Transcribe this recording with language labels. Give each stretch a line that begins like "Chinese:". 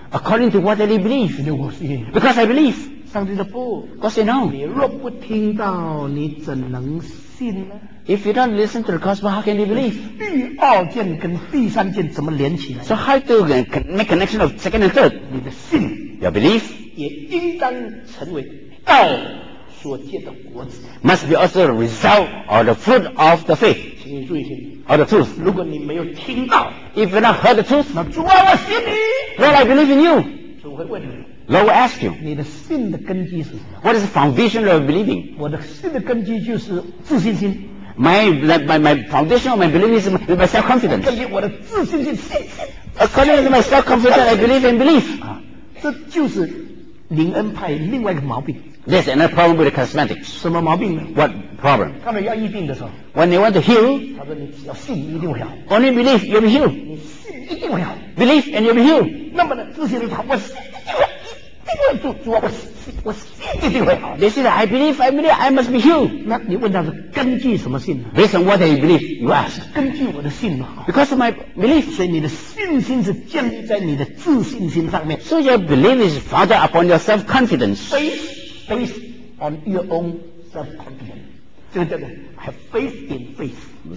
English: ？According to what they believe.
Chinese: 因为我信。
English: Because I believe.
Chinese: 上帝的不。
English: God said no.
Chinese: 你若不听到，你怎能信呢
English: ？If you don't listen to the gospel, how can you believe?
Chinese: 第二件跟第三件怎么连起来
English: ？So how to make connection of second and third?
Chinese: 你的信
English: ，your belief，
Chinese: 也应当成为道。所结的果子
English: must be also the result or the fruit of the faith.
Chinese: 请你注意听
English: or the truth.
Chinese: 如果你没有听到
English: if you not heard the truth,
Chinese: 那主啊，我信你
English: Lord, I believe in you.
Chinese: 主会问你
English: Lord will ask you.
Chinese: 你的信的根基是什么
English: ？What is the foundation of believing?
Chinese: 我的信的根基就是自信心。
English: My foundation of my belief is my self confidence.
Chinese: 根基我的自信心信心。
English: According to my self confidence, I believe in belief.
Chinese: 这就是灵恩派另外一个毛病。
English: There's another problem with the charismatics.
Chinese: 什么毛病呢
English: ？What problem?
Chinese: 他们要医病的时候
English: ，When they want to heal,
Chinese: 他说你只要信一定会好。
English: Only believe, you'll be healed.
Chinese: 你信一定会好。
English: Believe and you'll be healed.
Chinese: 那么呢，这些人他我信一定会主啊，我信一定会好。
English: They say that I believe, I must be healed.
Chinese: 那你问他是根据什么信呢
English: ？Based on what they believe, you ask.
Chinese: 根据我的信嘛。
English: Because of my belief.
Chinese: 所以你的信心是建立在你的自信心上面。
English: So your belief is founded upon your self-confidence. Faith on your own self-confidence.
Chinese: 这个叫做
English: have faith in faith.